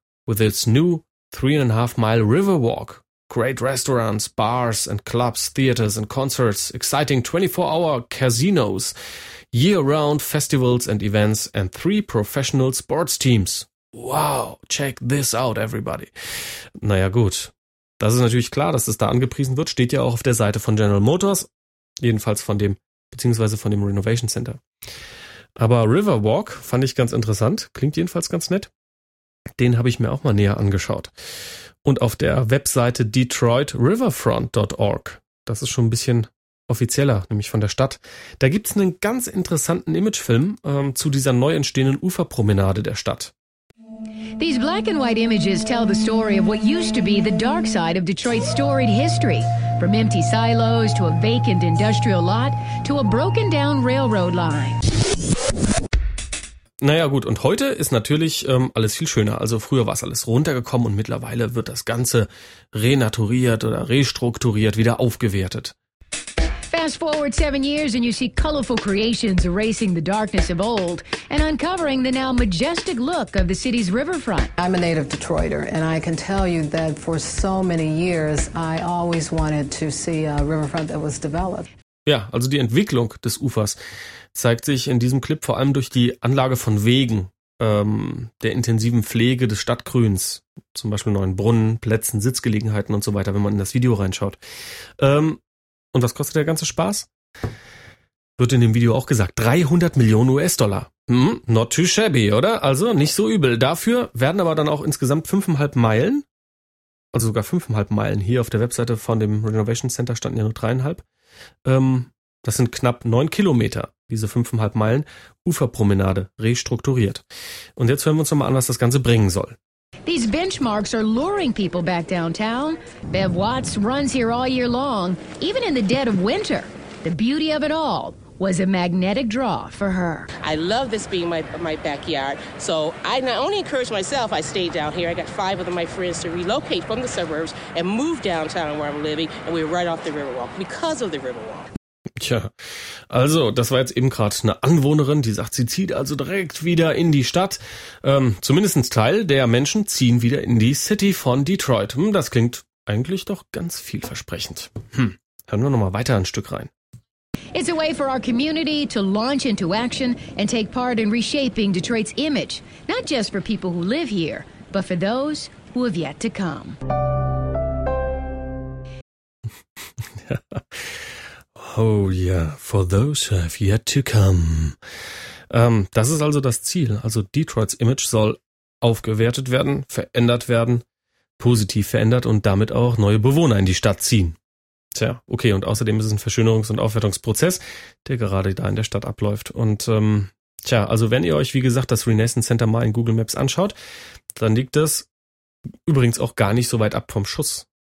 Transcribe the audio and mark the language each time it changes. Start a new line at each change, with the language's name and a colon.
English: With its new 3.5-mile Riverwalk, great restaurants, bars and clubs, theaters and concerts, exciting 24-hour casinos, year-round festivals and events, and 3 professional sports teams. Wow, check this out, everybody.
German: Naja, gut. Das ist natürlich klar, dass es da angepriesen wird, steht ja auch auf der Seite von General Motors, jedenfalls von dem, beziehungsweise von dem Renovation Center. Aber Riverwalk fand ich ganz interessant, klingt jedenfalls ganz nett. Den habe ich mir auch mal näher angeschaut. Und auf der Webseite DetroitRiverfront.org, das ist schon ein bisschen offizieller, nämlich von der Stadt, da gibt es einen ganz interessanten Imagefilm zu dieser neu entstehenden Uferpromenade der Stadt.
English: These black and white images tell the story of what used to be the dark side of Detroit's storied history. From empty silos to a vacant industrial lot to a broken down railroad line.
German: Naja gut, und heute ist natürlich alles viel schöner. Also früher war es alles runtergekommen und mittlerweile wird das Ganze renaturiert oder restrukturiert, wieder aufgewertet.
English: Fast forward 7 years and you see colorful creations erasing the darkness of old and uncovering the now majestic look of the city's riverfront. I'm a native Detroiter and I can tell you that for so many years I always wanted to see a riverfront that was developed.
German: Ja, also die Entwicklung des Ufers zeigt sich in diesem Clip vor allem durch die Anlage von Wegen, der intensiven Pflege des Stadtgrüns, zum Beispiel neuen Brunnen, Plätzen, Sitzgelegenheiten und so weiter, wenn man in das Video reinschaut. Und was kostet der ganze Spaß? Wird in dem Video auch gesagt, 300 Millionen US-Dollar.
English: Not too shabby,
German: oder? Also nicht so übel. Dafür werden aber dann auch insgesamt 5,5 Meilen, also sogar 5,5 Meilen, hier auf der Webseite von dem Renovation Center standen ja nur 3,5, das sind knapp 9 Kilometer, diese 5,5 Meilen, Uferpromenade restrukturiert. Und jetzt hören wir uns nochmal an, was das Ganze bringen soll.
English: These benchmarks are luring people back downtown. Bev Watts runs here all year long, even in the dead of winter. The beauty of it all was a magnetic draw for her. I love this being my backyard, so I not only encourage myself, I stayed down here. I got 5 of my friends to relocate from the suburbs and move downtown where I'm living, and we're right off the Riverwalk because of the Riverwalk.
German: Tja, also das war jetzt eben gerade eine Anwohnerin, die sagt, sie zieht also direkt wieder in die Stadt. Zumindest ein Teil der Menschen ziehen wieder in die City von Detroit. Das klingt eigentlich doch ganz vielversprechend. Hören wir nochmal weiter ein Stück rein.
English: It's a way for our community to launch into action and take part in reshaping Detroit's image. Not just for people who live here, but for those who have yet to come. Oh yeah, for those who have yet to come.
German: Das ist also das Ziel. Also Detroits Image soll aufgewertet werden, verändert werden, positiv verändert und damit auch neue Bewohner in die Stadt ziehen. Tja, okay, und außerdem ist es ein Verschönerungs- und Aufwertungsprozess, der gerade da in der Stadt abläuft. Und tja, also wenn ihr euch, wie gesagt, das Renaissance Center mal in Google Maps anschaut, dann liegt das übrigens auch gar nicht so weit ab vom Schuss.